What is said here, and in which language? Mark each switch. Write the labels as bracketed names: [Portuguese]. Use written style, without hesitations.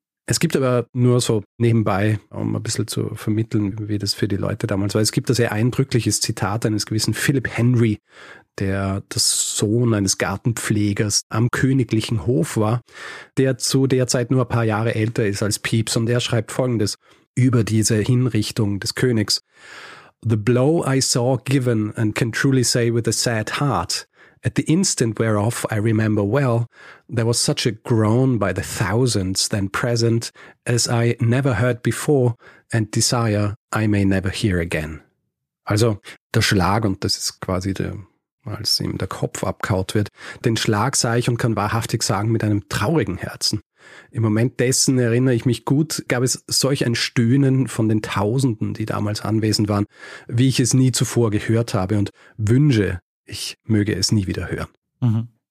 [German] Es gibt aber nur so nebenbei, um ein bisschen zu vermitteln, wie das für die Leute damals war, es gibt ein sehr eindrückliches Zitat eines gewissen Philip Henry, der das Sohn eines Gartenpflegers am königlichen Hof war, der zu der Zeit nur ein paar Jahre älter ist als Pepys. Und er schreibt Folgendes über diese Hinrichtung des Königs. [English] The blow I saw given and can truly say with a sad heart, at the instant whereof I remember well, there was such a groan by the thousands then present as I never heard before and desire I may never hear again. [German] Also der Schlag, und das ist quasi der, als ihm der Kopf abkaut wird, den Schlag sah ich und kann wahrhaftig sagen mit einem traurigen Herzen. Im Moment dessen erinnere ich mich gut, gab es solch ein Stöhnen von den Tausenden, die damals anwesend waren, wie ich es nie zuvor gehört habe und wünsche, ich möge es nie wieder hören. Mhm.